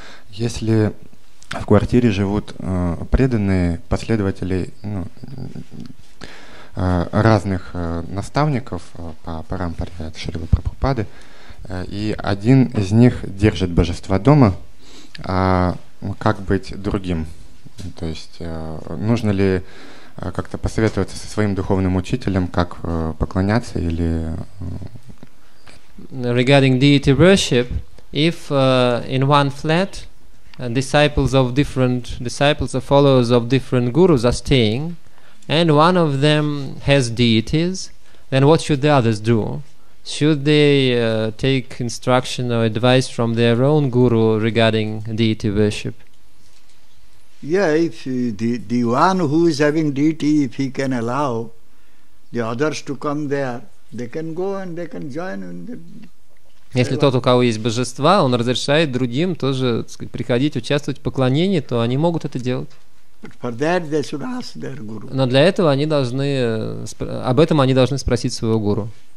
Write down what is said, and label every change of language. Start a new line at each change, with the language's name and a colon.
Russian: Если в квартире живут преданные последователи разных наставников по парампаре от Шрилы Прабхупады, и один из них держит божества дома, а как быть другим? То есть нужно ли как-то посоветоваться со своим духовным учителем, как поклоняться или...
English: Regarding deity worship, if in one flat disciples of different disciples or followers of different gurus are staying, and one of them has deities, then what should the others do? Should they take instruction or advice from their own guru regarding deity worship? Yeah, if the one who is having deity, if he can allow the others to come there, they can go and they can join.
Russian: Если тот, у кого есть божества, он разрешает другим тоже приходить, участвовать в поклонении, то они могут это делать.
English: For that they should ask their guru.
Russian: Но для этого они должны об этом они должны спросить своего гуру.